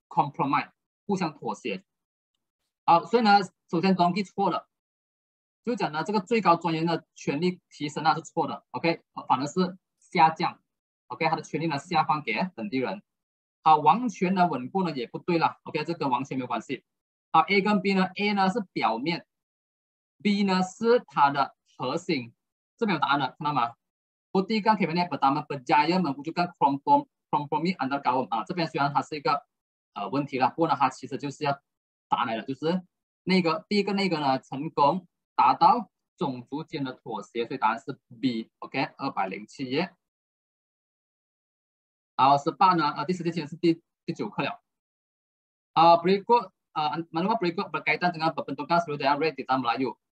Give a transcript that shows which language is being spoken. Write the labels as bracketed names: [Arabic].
[Chinese] compromise， 互相妥协。好，所以呢，首先东西错了，就讲呢，这个最高专员的权力提升那是错的 ，OK， 反而是下降 ，OK， 他的权力呢下放给本地人。好，王权的稳固呢也不对了 ，OK， 这跟王权没关系。好 ，A 跟 B 呢 ，A 呢是表面 ，B 呢是它的核心，这边有答案了，看到吗？不第一个 [Malay] kabinet pertama berjaya mewujudkan kompromi antar kaum [Chinese] 啊，这边虽然它是一个。问题了，不过呢，它其实就是要答来的，就是那个第一个那个呢，成功达到种族间的妥协，所以答案是 B。 OK， 207页。好，18呢，第十七节是第九课了。 [Malay] berikut maklumat berikut berkaitan dengan pembentukan seluruh daerah red di tanah Melayu.